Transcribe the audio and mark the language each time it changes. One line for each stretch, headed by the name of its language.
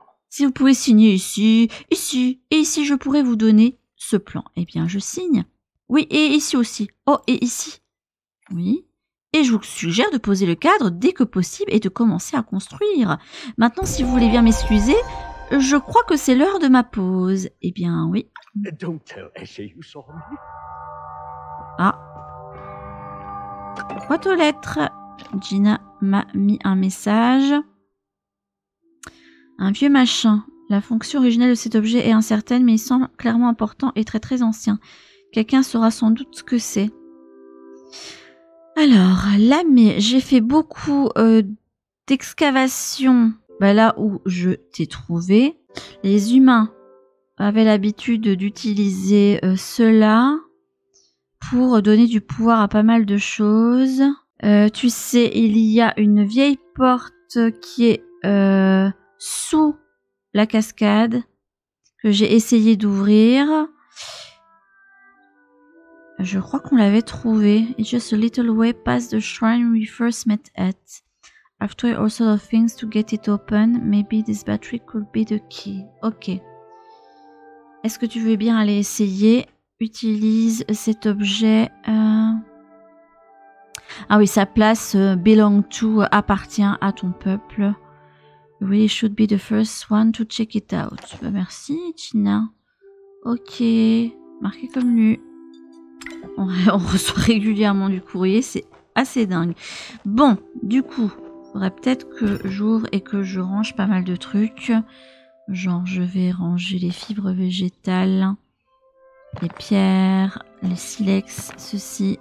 French: Si vous pouvez signer ici, ici, et ici, je pourrais vous donner ce plan. Eh bien, je signe. Oui, et ici aussi. Oh, et ici. Oui. Et je vous suggère de poser le cadre dès que possible et de commencer à construire. Maintenant, si vous voulez bien m'excuser, Je crois que c'est l'heure de ma pause. Eh bien, oui.
English: Don't tell Eshe you saw me. Ah.
French: Boîte aux lettres. Gina m'a mis un message. Un vieux machin. La fonction originelle de cet objet est incertaine, mais il semble clairement important et très très ancien. Quelqu'un saura sans doute ce que c'est. Alors, là, mais j'ai fait beaucoup d'excavations. Bah là où je t'ai trouvé. Les humains avaient l'habitude d'utiliser cela pour donner du pouvoir à pas mal de choses. Tu sais, il y a une vieille porte qui est sous la cascade que j'ai essayé d'ouvrir. Je crois qu'on l'avait trouvée.
English: It's just a little way past the shrine we first met at. After all sorts of things to get it open, maybe this battery could be the key. Ok.
French: Est-ce que tu veux bien aller essayer? Utilise cet objet. Ah oui, sa place
English: belong to,
French: appartient à ton peuple.
English: You really should be the first one to check it out.
French: Bah, merci, Gina. Ok. Marqué comme lu. On reçoit régulièrement du courrier, c'est assez dingue. Bon, du coup. Faudrait peut-être que j'ouvre et que je range pas mal de trucs. Genre, je vais ranger les fibres végétales, les pierres, les silex, ceci.